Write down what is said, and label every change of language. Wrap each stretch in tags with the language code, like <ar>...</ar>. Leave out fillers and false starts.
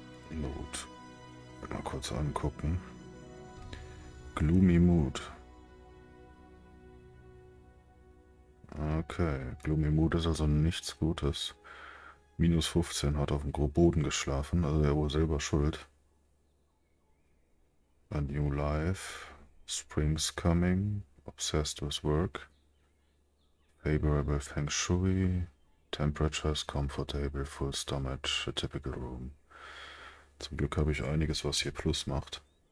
<de>Mood. Mal kurz angucken. Gloomy Mood. Okay. Gloomy Mood ist also nichts Gutes. Minus 15 hat auf dem Boden geschlafen. Also er wohl selber schuld.</de> <en>A new life, spring's coming, obsessed with work, favorable feng shui, temperature is comfortable, full stomach, a typical room.</en> <de>Zum Glück habe ich einiges, was hier plus macht.</de>